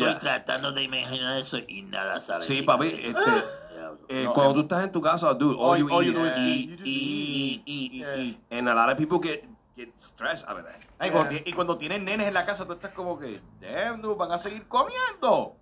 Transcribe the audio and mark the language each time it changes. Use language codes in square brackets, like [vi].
[es] Yo estoy tratando de imaginar eso y nada sale. Sí, papi, cuando tú estás en tu casa, dude, [en] all you eat is and a lot of people get stressed out of that. [es] Y cuando tienes nenes en la casa, tú estás como que, [en] damn, dude, [es] van a seguir comiendo.